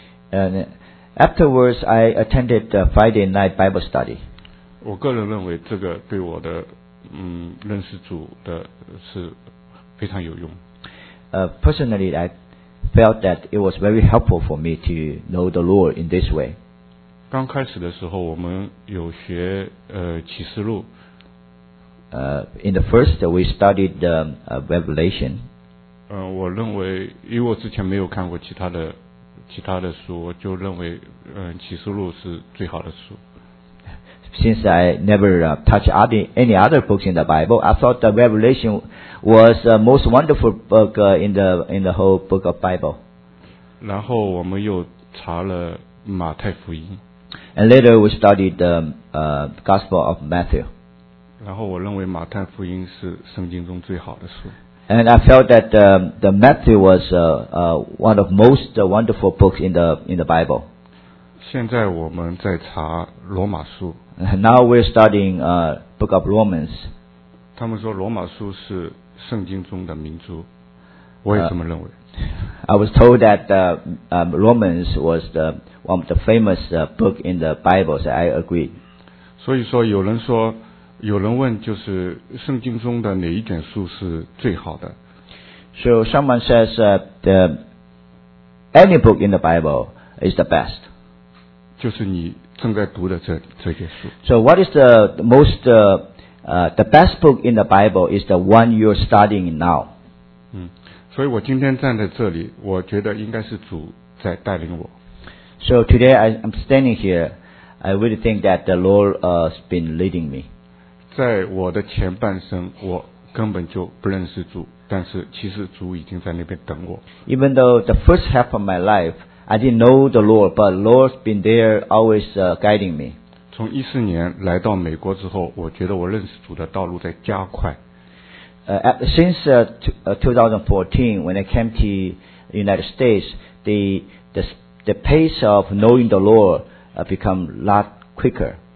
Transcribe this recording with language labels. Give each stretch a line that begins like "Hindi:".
English: And afterwards, I attended the Friday night Bible study.
Chinese: 我个人认为这个对我的认识主的是非常有用。
English: Personally, I felt that it was very helpful for me to know the Lord in this way.
Chinese: 刚开始的时候，我们有学启示录。
English: In the first, we studied the Revelation.
Chinese: 我认为，因为我之前没有看过其他的书，我就认为启示录是最好的书。
English: Since I never touched any other books in the Bible, I thought the Revelation was the most wonderful book in the whole book of Bible.
Chinese: 然后我们又查了马太福音。
English: And later we studied the Gospel of Matthew.
Chinese: 然后我认为马太福音是圣经中最好的书。
English: And I felt that the Matthew was one of most wonderful books in the Bible.
Chinese: 现在我们在查罗马书。
English: And now we're studying Book of Romans.
Chinese: 他们说罗马书是圣经中的明珠，我也这么认为。
English: I was told that Romans was the one of the famous book in the Bible. So I agreed.
Chinese: 所以说有人说，有人问，就是圣经中的哪一卷书是最好的
English: ？So someone says the any book in the Bible is the best.
Chinese: 就是你正在读的这些书。
English: So what is the most the best book in the Bible is the one you're studying now.
Chinese: 所以我今天站在这里，我觉得应该是主在带领我。
English: So today I'm standing here, I really think that the Lord has been leading me.
Chinese: 在我的前半生，我根本就不认识主，但是其实主已经在那边等我。
English: Even though the first half of my life,I didn't know the Lord, but the Lord's been there always guiding me.
Chinese: 从14年来到美国之后，我觉得我认识主的道路在加快。
English: Since 2014, when I came to the United States, the pace of knowing the Lord become a lot quicker.